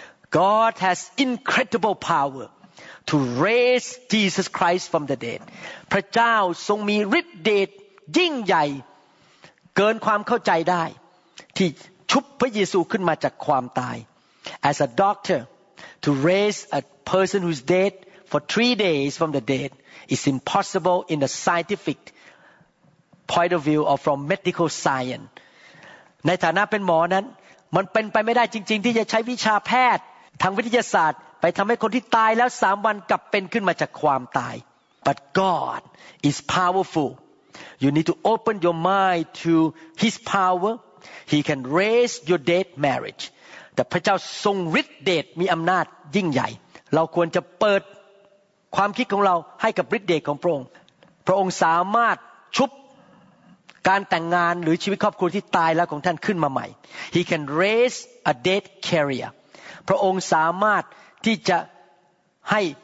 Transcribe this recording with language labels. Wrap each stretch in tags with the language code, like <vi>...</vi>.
<en>God has incredible power to raise Jesus Christ from the dead</en> <th>พระเจ้าทรงมีฤทธิ์เดชยิ่งใหญ่เกินความเข้าใจได้ที่ชุบพระเยซูขึ้นมาจากความตาย</th> <en>As a doctorTo raise a person who's dead for 3 days from the dead is impossible in the scientific point of view or from medical science.</en> <th>ในฐานะเป็นหมอนั้นมันเป็นไปไม่ได้จริงๆที่จะใช้วิชาแพทย์ทางวิทยาศาสตร์ไปทำให้คนที่ตายแล้ว3 วันกลับเป็นขึ้นมาจากความตาย</th> <en>But God is powerful. You need to open your mind to His power. He can raise your dead marriage.</en> <th>แต่พระเจ้าทรงฤทธิ์เดชมีอำนาจยิ่งใหญ่เราควรจะเปิดความคิดของเราให้กับฤทธิ์เดชของพระองค์พระองค์สามารถชุบการแต่งงานหรือชีวิตครอบครัวที่ตายแล้วของท่านขึ้นมาใหม่</th> <en>He can raise a dead career</en> <th>พระองค์สามารถที่จะให้</th>